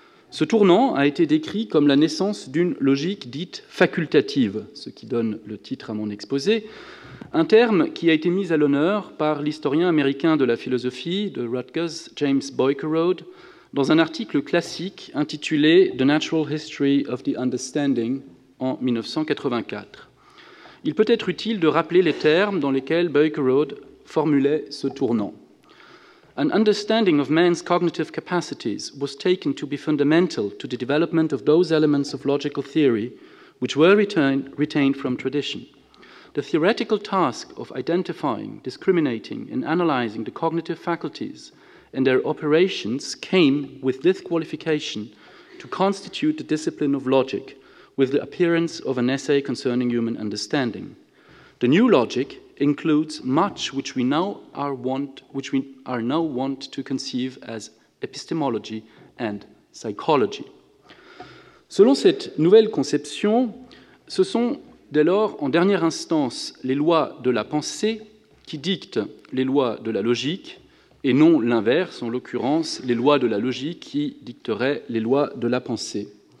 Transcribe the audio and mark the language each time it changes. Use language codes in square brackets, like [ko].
[fr] Ce tournant a été décrit comme la naissance d'une logique dite facultative, ce qui donne le titre à mon exposé, un terme qui a été mis à l'honneur par l'historien américain de la philosophie de Rutgers, James Boyckerode, dans un article classique intitulé « The Natural History of the Understanding » en 1984. Il peut être utile de rappeler les termes dans lesquels Boyckerode formulait ce tournant. [en] « An understanding of man's cognitive capacities was taken to be fundamental to the development of those elements of logical theory which were retained from tradition. The theoretical task of identifying, discriminating, and analyzing the cognitive faculties and their operations came with this qualification to constitute the discipline of logic with the appearance of an essay concerning human understanding. The new logic includes much which we now want to conceive as epistemology and psychology. [fr] Selon cette nouvelle conception, ce sont dès lors en dernière instance les lois de la pensée qui dictent les lois de la logique, et non l'inverse, en l'occurrence, les lois de la logique qui dicteraient les lois de la pensée.